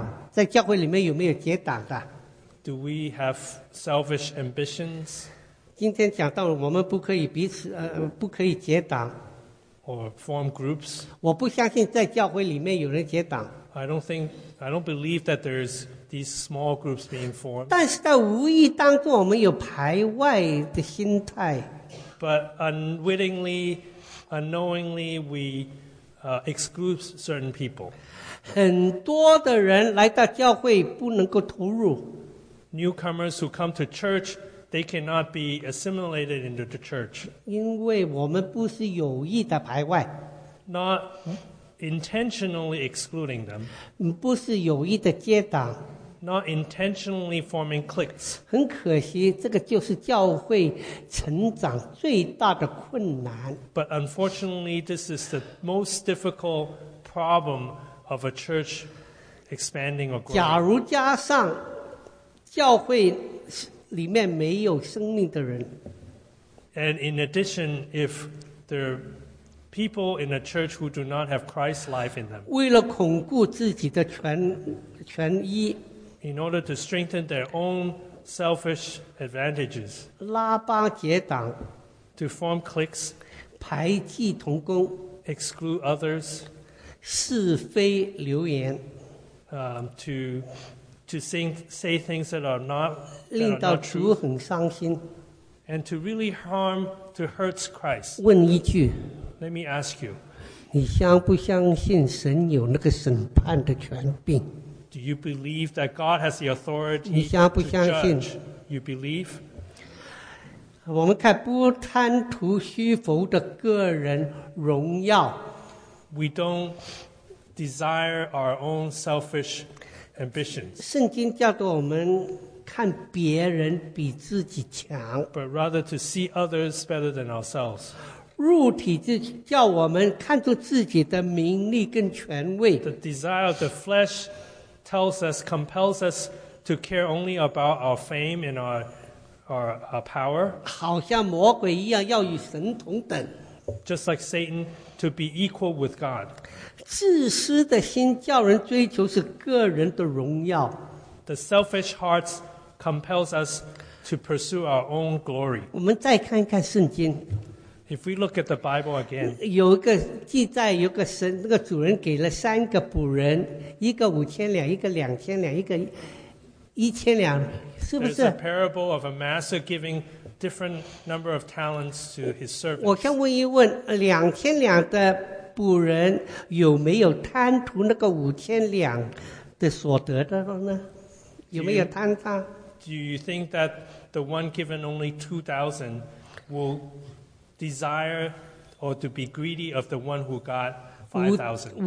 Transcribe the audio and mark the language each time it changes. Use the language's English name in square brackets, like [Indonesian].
[Chinese] 当然我们在教会里面不会结党，在教会里面有没有结党的？ [English] Do we have selfish ambitions? [Chinese] 今天讲到我们不可以结党。 [English] Or form groups? [Chinese] 我不相信在教会里面有人结党。 [English] I don't believe that there's these small groups being formed. [Chinese] 但是在无意当中我们有排外的心态。 [English] But unwittingly, unknowingly, we exclude certain people. [Chinese] 很多的人来到教会不能够投入。 [English] Newcomers who come to church, they cannot be assimilated into the church. [Chinese] 因为我们不是有意的排外。 [English] Not intentionally excluding them. [Chinese] 不是有意的接档, [English] not intentionally forming cliques. [Chinese] 很可惜, 这个就是教会成长最大的困难。 [English] But unfortunately, this is the most difficult problem of a church expanding or growing. [Chinese] 假如加上教会里面没有生命的人, [English] and in addition, if there are people in a church who do not have Christ's life in them. [Chinese] 为了巩固自己的权益, [English] in order to strengthen their own selfish advantages. [Chinese] 拉帮结党, [English] to form cliques. [Chinese] 排挤同工 [English] exclude others, [Chinese] 是非流言 [English] to say things that are not true, 令 [Chinese] 到主很伤心 [English] and to really harm, to hurt Christ. [Chinese] 问一句 [English] let me ask you, [Chinese] 你相不相信神有那个审判的权柄 [English] do you believe that God has the authority [Chinese] 你相不相信 [English] to judge? You believe? [Chinese] 我们看不贪图虚浮的个人荣耀。 [English] We don't desire our own selfish ambitions. [Chinese] 圣经叫做我们看别人比自己强。 [English] But rather to see others better than ourselves. [Chinese] 肉体叫我们看出自己的名利跟权位。 [English] The desire of the flesh tells us, compels us to care only about our fame and our power, [Chinese] 好像魔鬼一样要与神同等 [English] just like Satan, to be equal with God. [Chinese] 自私的心叫人追求是个人的荣耀 [English] The selfish heart compels us to pursue our own glory. [Chinese] 我们再看看圣经 [English] If we look at the Bible again, [Chinese] 有个记载有个神那个主人给了三个仆人一个五千两一个两千两一个一千两是不是 [English] There's a parable of a master giving different number of talents to his servants. [Chinese] 我想问一问两千两的仆人有没有贪图那个五千两的所得的呢有没有贪他 [English] do you think that the one given only 2,000 will desire or to be greedy of the one who got 5,000.